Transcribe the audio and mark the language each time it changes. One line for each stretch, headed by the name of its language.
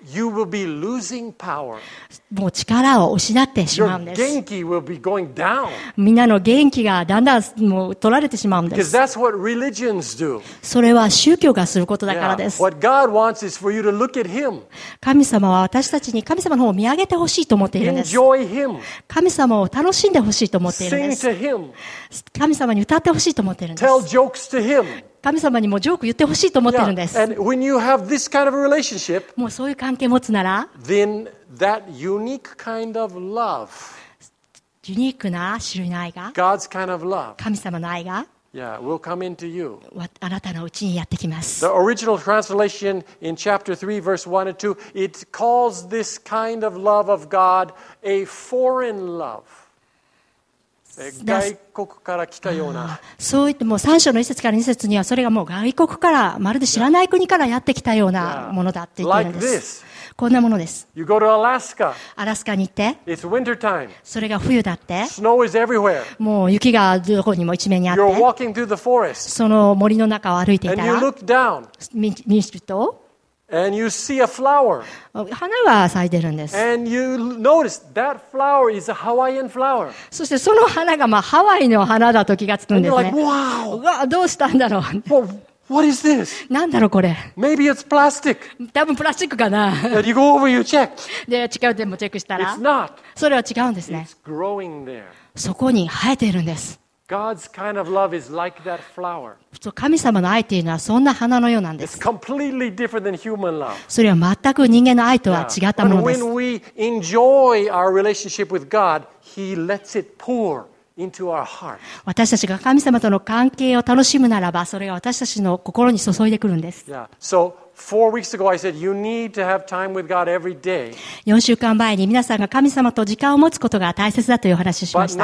English: you will be losing power.
Japanese: もう力を失ってしまうんです。
English: Your 元気 will be going down.
Japanese: みんなの元気がだんだんもう取られてしまうんです。
English: Because that's what religions do.
Japanese: それは宗教がすることだからです。
English: What God wants is for you to look at Him.
Japanese: 神様は私たちに神様の方を見上げてほしいと思っているんです。
English: Enjoy Him.
Japanese: 神様を楽しんでほしいと。
English: Sing to him.
Japanese: 神様に歌ってほしいと思ってるんです。
English: Tell jokes to him.
Japanese: 神様にもジョーク言ってほしいと思ってるんです。
English: Yeah. And when you have this kind of a relationship,
Japanese: もうそういう関係持つなら、
English: then that unique kind of love,
Japanese: ユニークな種類の愛が、
English: God's kind of love,
Japanese: 神様の愛が、
English: yeah, will come into you.
Japanese: あなたのうちにやってきます。
English: The original translation in chapter 3, verse 1 and 2, it calls this kind of love of God a foreign love.
Japanese: 外国から来たような。そう言っても3章の1節から2節にはそれがもう外国からまるで知らない国からやってきたようなものだって言ってるんです。こんなものです。
English: You go to Alaska.
Japanese: アラスカに行って。
English: It's winter time.
Japanese: それが冬だって。
English: Snow is everywhere.
Japanese: もう雪がどこにも一面にあって。
English: You're walking through the forest.
Japanese: その森の中を歩いていたら。
English: And you look down.
Japanese: 見ると。
English: And you see a flower.
Japanese: 花が咲いてるんです。
English: And you notice that flower is a Hawaiian flower.
Japanese: そしてその花がまあハワイの花だと気がつくんですね。
English: And you're like, wow.
Japanese: うわ、どうしたんだろう。
English: Well, What is this?
Japanese: なんだろうこれ。
English: Maybe it's plastic.
Japanese: 多分プラスチックかな。
English: That you go over, you check.
Japanese: で、違う点もチェックしたら。
English: It's not.
Japanese: それは違うんですね。
English: It's growing there.
Japanese: そこに生えているんです。
English: God's kind of love is like that flower.
Japanese: 神様の愛というのはそんな花のようなんです。
English: It's completely different than human love.
Japanese: それは全く人間の愛とは違ったものです。
English: When we enjoy our relationship with God, He lets it pour. Into our heart.
Japanese: 私たちが神様との関係を楽しむならば、それが私たちの心に注いでくるんです。
English: Yeah. So, 4 weeks ago, I said, you need to have time with God every day.
Japanese: 4週間前に皆さんが神様と時間を持つことが大切だというお話をしました。